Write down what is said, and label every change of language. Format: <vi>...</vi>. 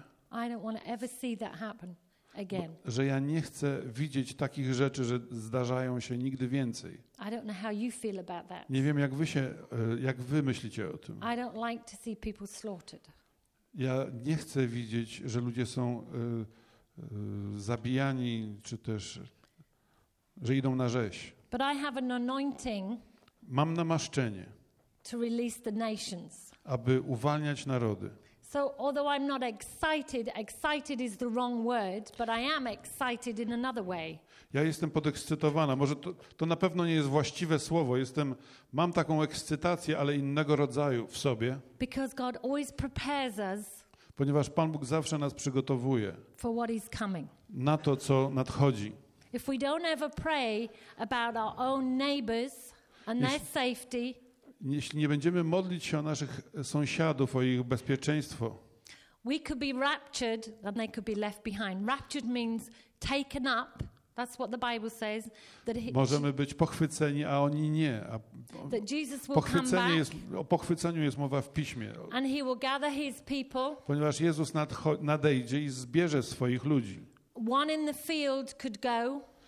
<en>I don't want to ever see that happen again.</en> <pl>Że ja nie chcę widzieć takich rzeczy, że zdarzają się nigdy więcej.</pl> <en>I don't know how you feel about that.</en> <pl>Nie wiem, jak wy myślicie o tym.</pl> <en>I don't like to see people slaughtered.</en> <pl>Ja nie chcę widzieć, że ludzie są zabijani, czy też, że idą na rzeź.</pl> <en>But I have an anointing.</en> <pl>Mam namaszczenie,</pl> <en>to release the nations.</en> <pl>Aby uwalniać narody.</pl> <en>So although I'm not excited is the wrong word, but I am excited in another way.</en> <pl>Ja jestem podekscytowana. Może to na pewno nie jest właściwe słowo. Mam taką ekscytację, ale innego rodzaju w sobie.</pl> <en>Because God always prepares us.</en> <pl>Ponieważ Pan Bóg zawsze nas przygotowuje.</pl> <en>For what is coming.</en> <pl>Na to, co nadchodzi.</pl> <en>If we don't ever pray about our own neighbors and their safety.</en> <pl>Jeśli nie będziemy modlić się o naszych sąsiadów, o ich bezpieczeństwo.</pl> <en>We could be raptured and they could be left behind. Raptured means taken up. That's what the Bible says.</en> <pl>Możemy być pochwyceni, a oni nie.</pl> <en>That Jesus will come back.</en> <pl>O pochwyceniu jest mowa w Piśmie.</pl> <en>And he will gather his people.</en> <pl>Ponieważ Jezus nadejdzie i zbierze swoich ludzi.</pl> <en>One in the field could go.</en>